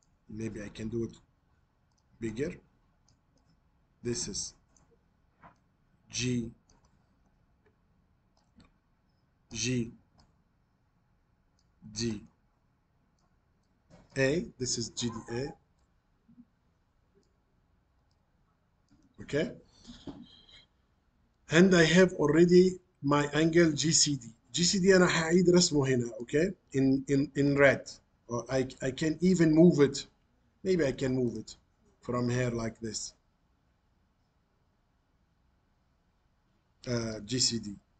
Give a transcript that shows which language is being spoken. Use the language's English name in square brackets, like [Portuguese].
[English] Maybe I can do it bigger. This is GDA. This is GDA. Okay. And I have already my angle GCD. [Arabic] GCD أنا هعيد رسمه هنا, [English] okay? In red. Or I can even move it. Maybe I can move it from here like this. GCD.